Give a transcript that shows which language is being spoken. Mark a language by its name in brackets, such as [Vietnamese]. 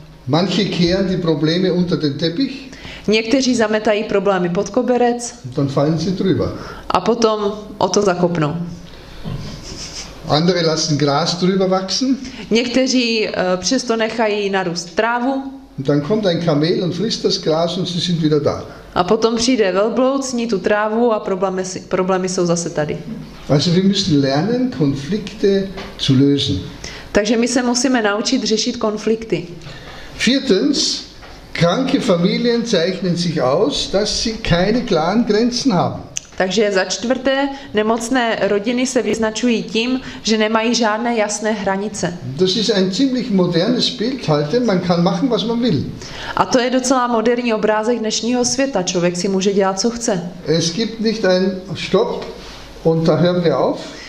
[German] Manche kehren die Probleme unter den Teppich. [Czech] Někteří zametají problémy pod koberec [German] dann fallen sie drüber. [Czech] A potom o to zakopnou. [German] Andere lassen Gras drüber wachsen. [Czech] Někteří přesto nechají narůst trávu. [German] Und dann kommt ein Kamel und frisst das Gras und sie sind wieder da. [Czech] A potom přijde velbloud, sní tu trávu a problémy jsou zase tady. [German] Also wir müssen lernen, Konflikte zu lösen. [Czech] Takže my se musíme naučit řešit konflikty. [German] Viertens, kranke Familien zeichnen sich aus, dass sie keine klaren Grenzen haben. [Czech] Takže za čtvrté, nemocné rodiny se vyznačují tím, že nemají žádné jasné hranice. [German] Das ist ein ziemlich modernes Bild heute, man kann machen, was man will. [Czech] A to je docela moderní obrázek dnešního světa, člověk si může dělat, co chce. [German] Es gibt nicht ein Stopp und da hören wir auf.